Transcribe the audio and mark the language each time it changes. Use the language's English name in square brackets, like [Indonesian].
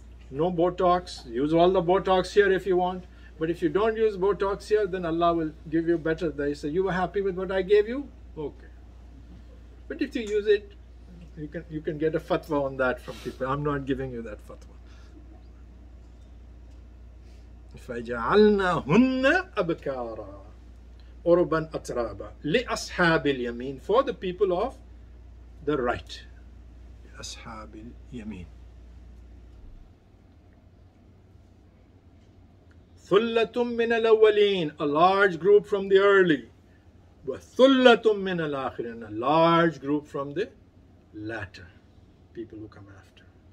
[English] no Botox, use all the Botox here if you want. But if you don't use Botox here, then Allah will give you better. They say, you were happy with what I gave you? Okay. But if you use it, you can get a fatwa on that from people. I'm not giving you that fatwa. [Arabic] فَجَعَلْنَا هُنَّ أَبْكَارًا أُرُبًا أَتْرَابًا لِأَصْحَابِ الْيَمِينَ, for the people of the right. لِأَصْحَابِ الْيَمِينَ ثُلَّةٌ مِّنَ الْأَوَّلِينَ, a large group from the early. [English] وَثُلَّةٌ مِّنَ الْآخِرِينَ, a large group from the latter, people who come after.